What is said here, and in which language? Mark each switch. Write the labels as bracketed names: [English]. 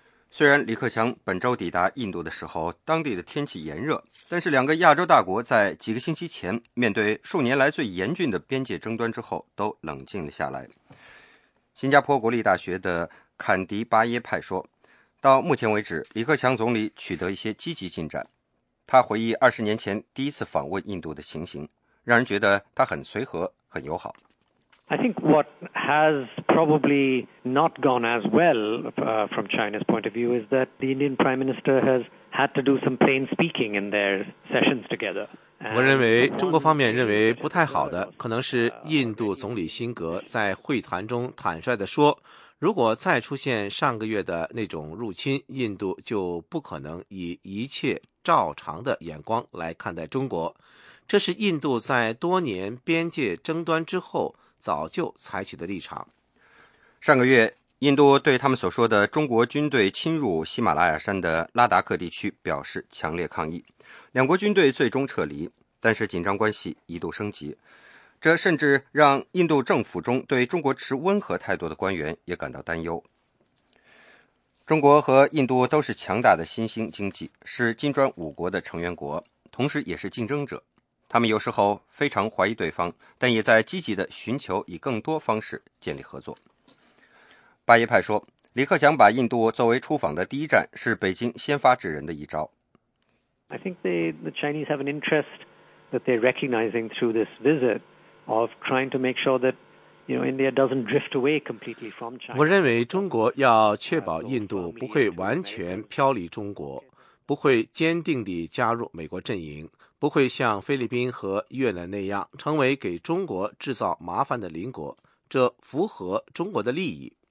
[Chinese] 虽然李克强本周抵达印度的时候，当地的天气炎热，但是两个亚洲大国在几个星期前面对数年来最严峻的边界争端之后，都冷静了下来。新加坡国立大学的坎迪巴耶派说，到目前为止，李克强总理取得一些积极进展。他回忆20年前第一次访问印度的情形，让人觉得他很随和，很友好。 [English] I think what has probably not gone as well, from China's point of view is that the Indian Prime Minister has had to do some plain speaking in their sessions together. [Chinese] 我认为中国方面认为不太好的可能是印度总理辛格在会谈中坦率地说，如果再出现上个月的那种入侵，印度就不可能以一切照常的眼光来看待中国。这是印度在多年边界争端之后早就采取的立场。上个月，印度对他们所说的中国军队侵入喜马拉雅山的拉达克地区表示强烈抗议，两国军队最终撤离，但是紧张关系一度升级，这甚至让印度政府中对中国持温和态度的官员也感到担忧。中国和印度都是强大的新兴经济，是金砖五国的成员国，同时也是竞争者。他们有时候非常怀疑对方，但也在积极地寻求以更多方式建立合作。巴耶派说，李克强把印度作为出访的第一站是北京先发制人的一招。 [English] I think the Chinese have an interest that they're recognizing through this visit of trying to make sure that India doesn't drift away completely from China. [Chinese] 我认为中国要确保印度不会完全飘离中国，不会坚定地加入美国阵营，不会像菲律宾和越南那样成为给中国制造麻烦的邻国，这符合中国的利益。